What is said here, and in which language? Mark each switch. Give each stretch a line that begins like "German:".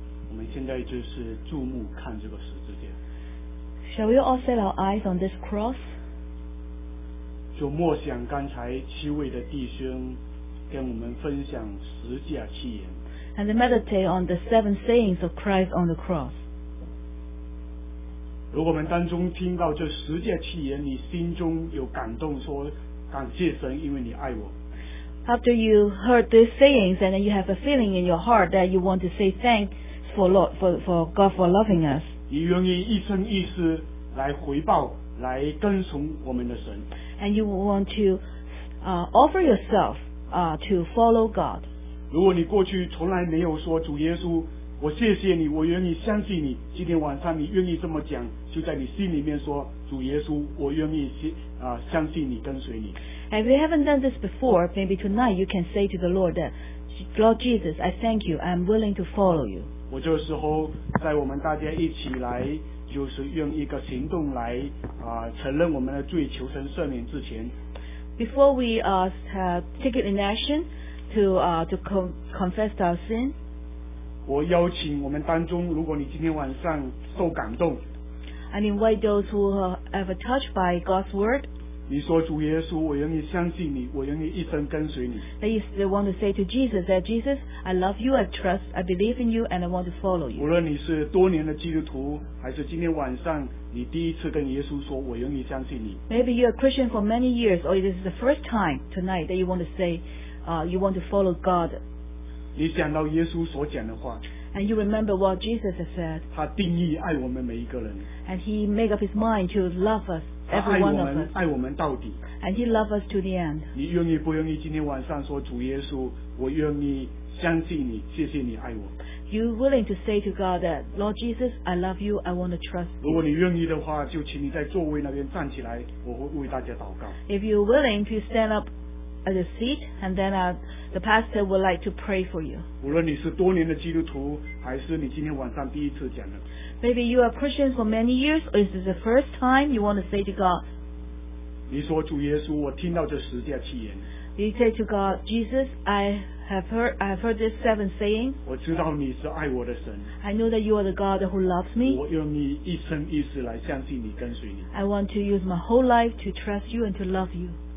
Chinese: 我们现在就是注目看这个十字架。
English: Shall we all set our eyes on this cross?
Chinese: 就默想刚才七位的弟兄跟我们分享十架七言。
English: And then meditate on the seven sayings of Christ on the cross.
Chinese: 如果我们当中听到这十架七言，你心中有感动，说感谢神，因为你爱我。
English: After you heard these sayings, and then you have a feeling in your heart that you want to say thanks for Lord, for God for loving us.
Chinese: 你愿意一生一世来回报，来跟从我们的神。
English: And you want to offer yourself to follow God.
Chinese: 如果你过去从来没有说主耶稣，我谢谢你，我愿意相信你。今天晚上你愿意这么讲，就在你心里面说主耶稣，我愿意相信你，跟随你。
English: If you haven't done this before, maybe tonight you can say to the Lord that, Lord Jesus, I thank you, I'm willing to follow you.
Chinese: 我这时候在我们大家一起来，就是用一个行动来承认我们的罪，求神赦免之前。
English: Before we take it in action to confess our sin,
Chinese: 我邀请我们当中，如果你今天晚上受感动，
English: I invite those who have a touch by God's word.
Chinese: 你说主耶稣，我愿意相信你，我愿意一生跟随你。
English: They want to say to Jesus that Jesus, I love you, I trust, I believe in you, and I want to follow you.
Chinese: 无论你是多年的基督徒，还是今天晚上你第一次跟耶稣说，我愿意相信你。
English: Maybe you're a Christian for many years, or this is the first time tonight that you want to say, you want to follow God.
Chinese: 你想到耶稣所讲的话。
English: And you remember what Jesus has said.
Chinese: 他定义爱我们每一个人。
English: And he made up his mind to love us. Every one of us.
Chinese: 爱我们到底。
English: And he loved us to the end.
Chinese: 你愿意不愿意今天晚上说主耶稣，我愿意相信你，谢谢你爱我。
English: You willing to say to God that Lord Jesus, I love you, I want to trust you.
Chinese: 如果你愿意的话，就请你在座位那边站起来，我会为大家祷告。
English: If you're willing to stand up at the seat, and then the pastor would like to pray for you.
Chinese: 无论你是多年的基督徒，还是你今天晚上第一次讲的。
English: Maybe you are Christian for many years, or is this the first time you want to say to God?
Chinese: 你说主耶稣，我听到这十架七言。
English: You say to God, Jesus, I have heard this seven saying.
Chinese: 我知道你是爱我的神。
English: I know that you are the God who loves me.
Chinese: 我用你一生一世来相信你，跟随你。
English: I want to use my whole life to trust you and to love you.